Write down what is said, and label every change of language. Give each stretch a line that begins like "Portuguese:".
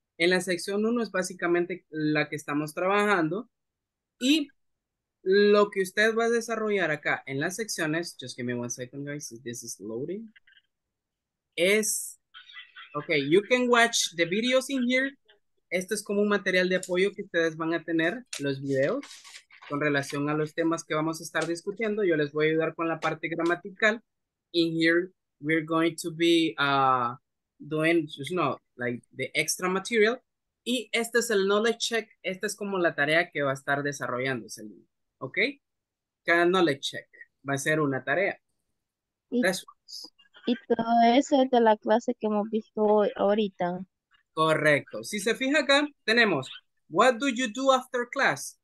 Spanish: En la sección 1 es básicamente la que estamos trabajando y lo que usted va a desarrollar acá en las secciones,
English: just give me one second, guys, this is loading,
Spanish: es, okay,
English: you can watch the videos in here.
Spanish: Esto es como un material de apoyo que ustedes van a tener, los videos, con relación a los temas que vamos a estar discutiendo. Yo les voy a ayudar con la parte gramatical.
English: In here, we're going to be doing, just know, like the extra material.
Spanish: Y este es el knowledge check. Esta es como la tarea que va a estar desarrollándose. ¿Ok? Cada knowledge check va a ser una tarea. Y todo eso es de la clase que hemos visto ahorita. Correcto. Si se fija acá, tenemos,
English: what do you do after class?